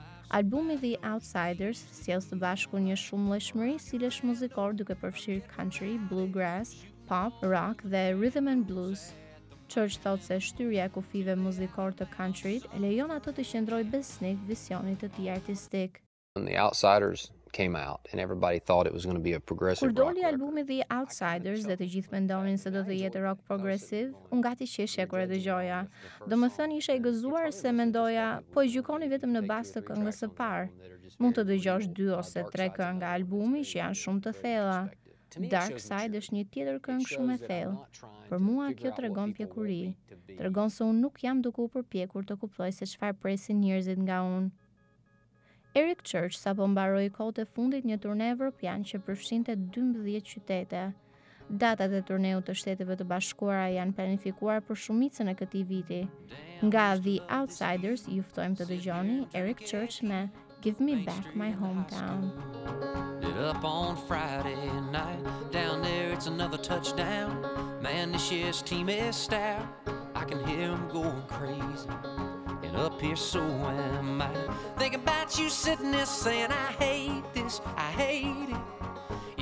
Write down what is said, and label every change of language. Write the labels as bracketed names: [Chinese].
[Albanian] Albumi The Outsiders sjell së bashku një shumë lëshmëri stilesh muzikor duke përfshirë country, bluegrass, pop, rock dhe rhythm and blues. Church thot se shtyrja e kufive muzikor të countryt e lejon ato të qëndroj besnik visionit të tij artistik. [English] When The Outsiders came out and everybody thought it was going to be a progressive rock. [Albanian] Kur doli albumi The Outsiders dhe të gjithë mendonin se do të jetë rock progressive, unë gati qeshja kur e dëgjoja. Domethënë isha i gëzuar se mendoja, po e gjykoni vetëm në bazë të këngës së parë. Mund të dëgjosh 2 ose 3 këngë nga albumi që janë shumë të thella. Dark Side është një tjetër këngë shumë e thellë. Për mua kjo tregon pjekuri. Tregon se unë nuk jam duke u përpjekur të kuptoj se çfarë presin njerëzit nga unë. Eric Church sapo mbaroi kohët e fundit një turne evropian që përfshinte 12 qytete. Datat e turneut të Shteteve të Bashkuara janë planifikuar për shumicën e këtij viti. Nga The Outsiders ju ftojmë të dëgjoni Eric Church me Give Me Back My Hometown. [English] Get up on Friday night, down there it's another touchdown. Man, this year's team is stout, I can hear them going crazy. And up here so am I, thinking about you sitting there saying, I hate this, I hate it.